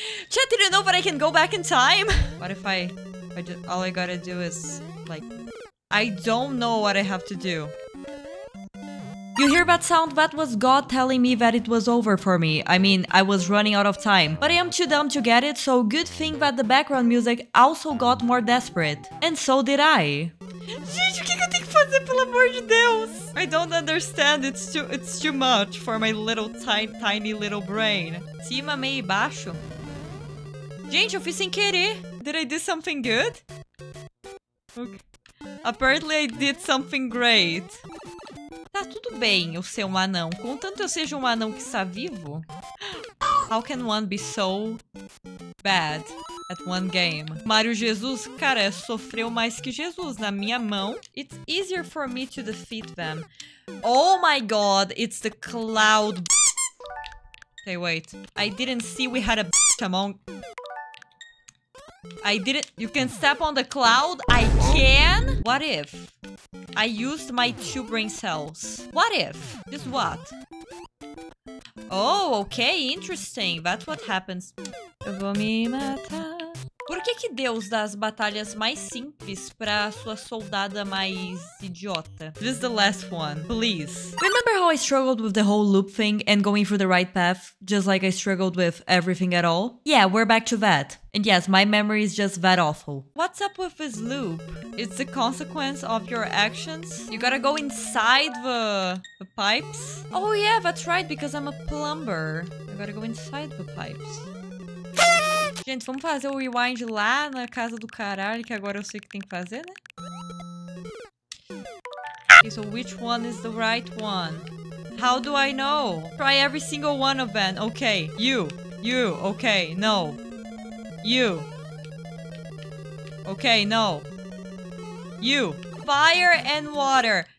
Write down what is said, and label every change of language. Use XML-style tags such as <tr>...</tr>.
<en>Chat, did you know that I can go back in time? What if I just, all I gotta do is, like, I don't know what I have to do. You hear that sound? That was God telling me that it was over for me. I mean, I was running out of time. But I am too dumb to get it, so good thing that the background music also got more desperate. And so did I.</en> <pt>Gente, o que eu tenho que fazer, pelo amor de Deus?</pt> <en>I don't understand, it's too much for my little tiny little brain.</en> <pt>Cima, meio e baixo? Gente, eu fiz sem querer.</pt> <en>Did I do something good? Okay. Apparently I did something great.</en> <pt>Tá tudo bem eu ser um anão. Contanto eu seja um anão que está vivo.</pt> <en>How can one be so bad at one game?</en> <pt>Mario Jesus, cara, sofreu mais que Jesus na minha mão.</pt> <en>It's easier for me to defeat them. Oh my God, it's the cloud. Okay, wait. I didn't see we had a bitch among... I didn't... You can step on the cloud? I can? What if I used my two brain cells? What if? Just what? Oh, okay, interesting. That's what happens.</en> <pt>Eu vou me matar. Por que que Deus dá as batalhas mais simples pra sua soldada mais idiota?</pt> <en>This is the last one, please. Remember how I struggled with the whole loop thing and going through the right path? Just like I struggled with everything at all? Yeah, we're back to that. And yes, my memory is just that awful. What's up with this loop? It's the consequence of your actions? You gotta go inside the pipes? Oh yeah, that's right, because I'm a plumber. I gotta go inside the pipes.</en> <pt>Gente, vamos fazer o rewind lá na casa do caralho, que agora eu sei o que tem que fazer, né?</pt> <en>Okay, so which one is the right one? How do I know? Try every single one of them. Okay, you, okay, no. You. Okay, no. You. Fire and water.</en>